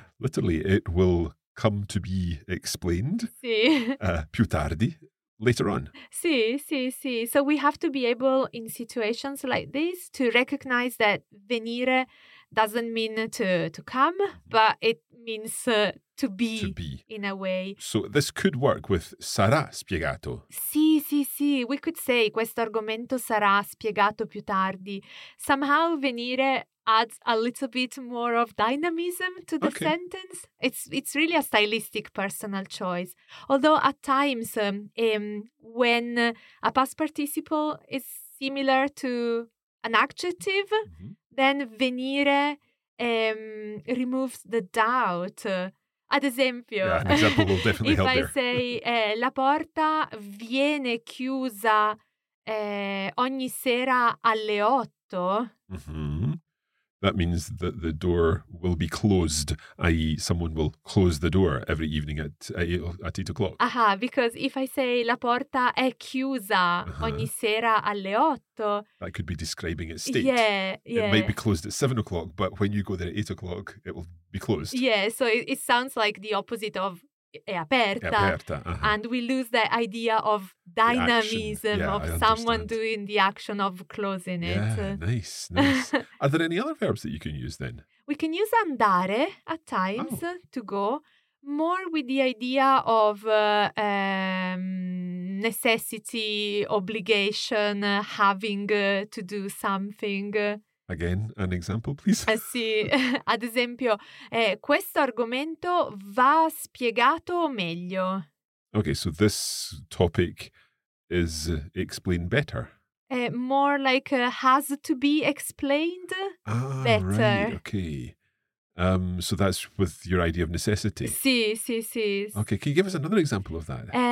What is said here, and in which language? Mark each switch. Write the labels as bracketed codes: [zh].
[en] Literally, it will come to be explained. [it] Sì. Più tardi. [en] Later on. [it] Sì, sì, sì. [en] So we have to be able in situations like this to recognize that venire doesn't mean to come, but it means to be in a way. So this could work with [it] sarà spiegato. [en] Sì, sì, sì. We could say [it] questo argomento sarà spiegato più tardi. [en] Somehow venire adds a little bit more of dynamism to the sentence. It's really a stylistic personal choice. Although at times, when a past participle is similar to an adjective, then venire removes the doubt. [it] Ad esempio, [en] yeah, an example will definitely help I there. Say [it] la porta viene chiusa ogni sera alle 8. [en] That means that the door will be closed, i.e. someone will close the door every evening at 8 o'clock. Aha, because if I say [it] la porta è chiusa ogni sera alle 8. [en] That could be describing its state. Yeah. It might be closed at 7 o'clock, but when you go there at 8 o'clock, it will be closed. Yeah, so it sounds like the opposite of [it] è aperta. [en] And we lose that idea of dynamism, yeah, of someone doing the action of closing it. Nice. Are there any other verbs that you can use then? We can use andare at times to go, more with the idea of necessity, obligation, having to do something. Again, an example, please. [it] Sì, ad esempio, questo argomento va spiegato meglio. [en] Okay, so this topic is explained better. More like has to be explained better. Right, okay. So that's with your idea of necessity. [it] Sì, sì, sì. [en] Okay, can you give us another example of that?